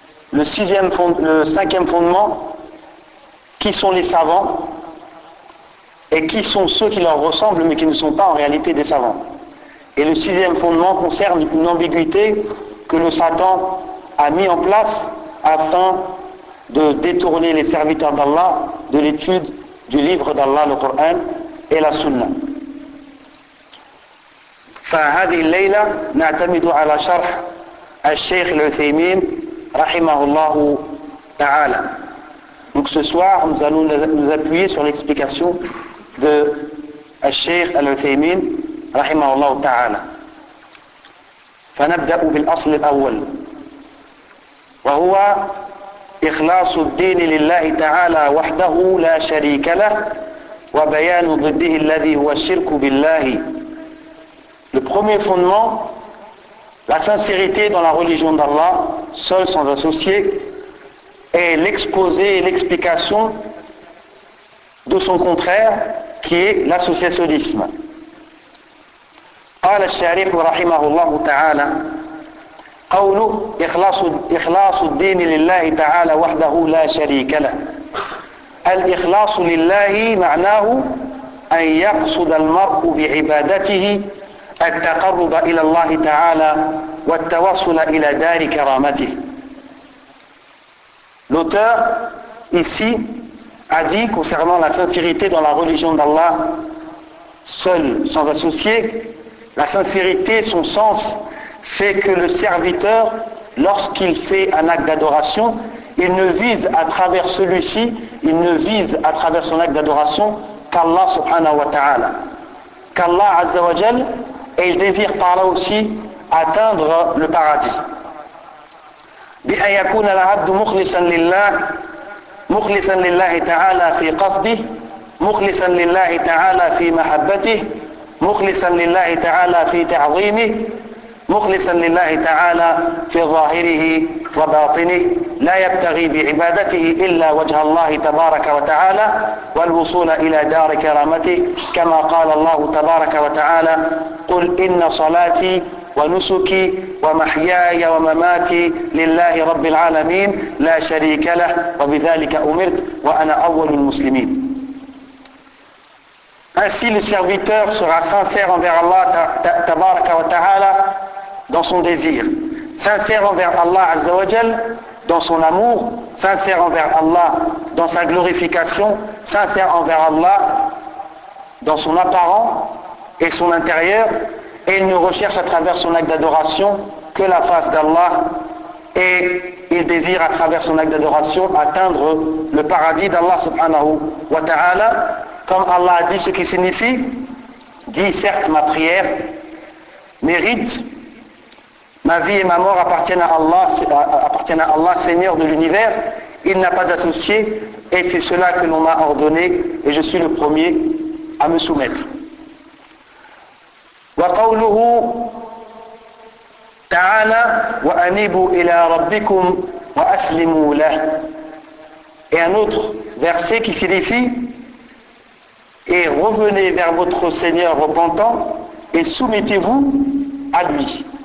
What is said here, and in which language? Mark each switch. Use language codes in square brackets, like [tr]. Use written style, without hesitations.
[fr] Le cinquième fondement, qui sont les savants et qui sont ceux qui leur ressemblent mais qui ne sont pas en réalité des savants. Et le sixième fondement concerne une ambiguïté que le Satan a mis en place afin de détourner les serviteurs d'Allah de l'étude du livre d'Allah, le Coran et la Sunna. [ar] فهذه الليلة نعتمد على شرح الشيخ العثيمين رحمه الله تعالى. [fr] Donc ce soir, nous allons nous appuyer sur l'explication de الشيخ العثيمين [ar] رحمه الله تعالى. فنبدأ بالأصل الأول وهو إخلاص الدين لله تعالى وحده لا شريك له وبيان ضده الذي هو الشرك بالله. [fr] Le premier fondement, la sincérité dans la religion d'Allah, seul sans associé, est l'exposé et l'explication de son contraire, qui est l'associationnisme. [ar] قال الشارح رحمه الله تعالى قوله إخلاص الدين لله تعالى وحده لا شريك له. الإخلاص لله معناه أن يقصد المرء بعبادته التقرب إلى الله تعالى والتوصل إلى دار كرامته. [fr] L'auteur ici a dit concernant la sincérité dans la religion d'Allah seul, sans associé, la sincérité, son sens, c'est que le serviteur, lorsqu'il fait un acte d'adoration, il ne vise à travers celui-ci, il ne vise à travers son acte d'adoration qu'Allah subhanahu wa ta'ala. Qu'Allah azza wa jal, et il désire par là aussi atteindre le paradis. [ar] بأن يكون العبد مخلصا لله تعالى في قصده مخلصا لله تعالى في محبته مخلصا لله تعالى في تعظيمه مخلصا لله تعالى في ظاهره وباطنه لا يبتغي بعبادته إلا وجه الله تبارك وتعالى والوصول إلى دار كرامته كما قال الله تبارك وتعالى قل إن صلاتي ونسكي ومحياي ومماتي لله رب العالمين لا شريك له وبذلك أمرت وأنا أول المسلمين. [fr] Ainsi le serviteur sera sincère envers Allah tabaraka wa ta'ala dans son désir, sincère envers Allah azza wa jal dans son amour, sincère envers Allah dans sa glorification, sincère envers Allah dans son apparent et son intérieur, et il ne recherche à travers son acte d'adoration que la face d'Allah, et il désire à travers son acte d'adoration atteindre le paradis d'Allah subhanahu wa ta'ala. Comme Allah a dit, ce qui signifie, dit certes ma prière mérite, ma vie et ma mort appartiennent à Allah, Seigneur de l'univers, il n'a pas d'associé, et c'est cela que l'on m'a ordonné, et je suis le premier à me soumettre. [ar] وقوله تعالى وأنيبوا إلى ربكم وأسلموا له. [fr] Et un autre verset qui signifie et revenez vers votre Seigneur repentant et soumettez-vous à lui.